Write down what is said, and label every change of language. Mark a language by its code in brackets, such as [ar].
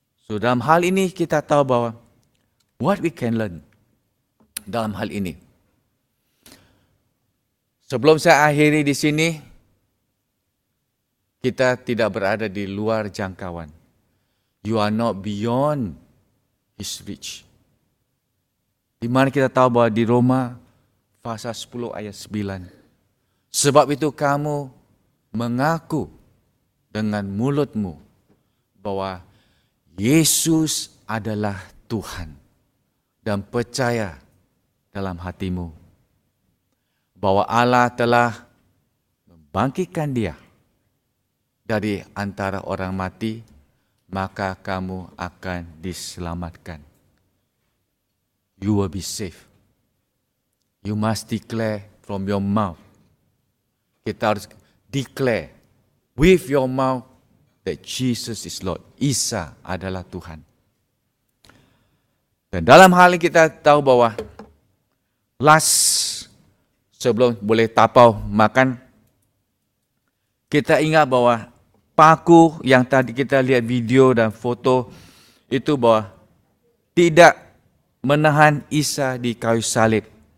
[id] So dalam hal ini kita tahu bahwa [en] what we can learn [id] dalam hal ini. Sebelum saya akhiri di sini, kita tidak berada di luar jangkauan. [en] You are not beyond His reach. [id] Di mana kita tahu bahwa di Roma pasal 10 ayat 9. Sebab itu kamu mengaku dengan mulutmu bahwa Yesus adalah Tuhan dan percaya dalam hatimu bahwa Allah telah membangkitkan Dia dari antara orang mati, maka kamu akan diselamatkan. [en] You will be saved. You must declare from your mouth [id] Kita harus [en] declare with your mouth that Jesus is Lord. [id] Isa adalah Tuhan. Dan dalam hal ini kita tahu bahwa last sebelum boleh tapau makan, kita ingat bahwa paku yang tadi kita lihat video dan foto itu bahwa tidak menahan Isa di kayu salib.